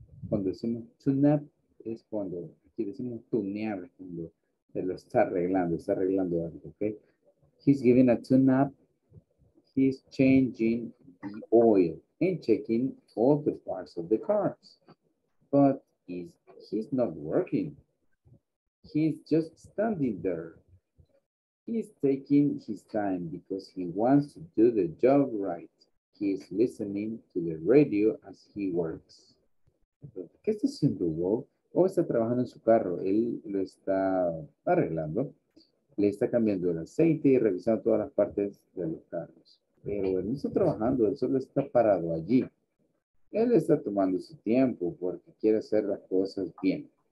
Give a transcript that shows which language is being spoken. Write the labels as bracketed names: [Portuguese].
[Spanish] Cuando decimos tune up, es cuando aquí decimos tunear, cuando lo está arreglando algo, okay? [English] He's giving a tune up. He's changing the oil and checking all the parts of the cars. But he's not working. He's just standing there. He's taking his time because he wants to do the job right. He's listening to the radio as he works. [Spanish] ¿Qué está haciendo Bob? Bob está trabajando en su carro. Él lo está arreglando. le está cambiando el aceite y revisando todas las partes de los carros. Pero él no está trabajando, él solo está parado allí. Él está tomando su tiempo porque quiere hacer las cosas bien.